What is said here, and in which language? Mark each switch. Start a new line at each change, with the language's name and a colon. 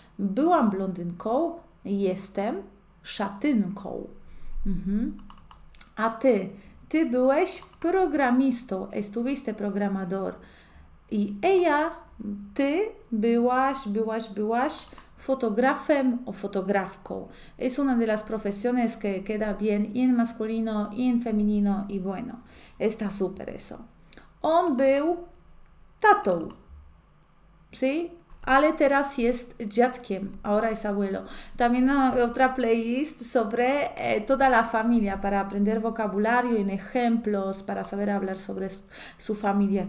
Polish: Byłam blondynką, jestem szatynką. A ty byłeś programistą,
Spanish: estuviste programador.
Polish: I ella. Ty byłaś fotografem o fotografką.
Spanish: Es una de las profesiones que queda bien y en masculino y en femenino y bueno, está súper eso.
Polish: On był tatą. ¿Sí? Ale teraz jest dziadkiem.
Spanish: Ahora es abuelo. También hay otra playlist sobre toda la familia para aprender vocabulario y ejemplos para saber hablar sobre su familia.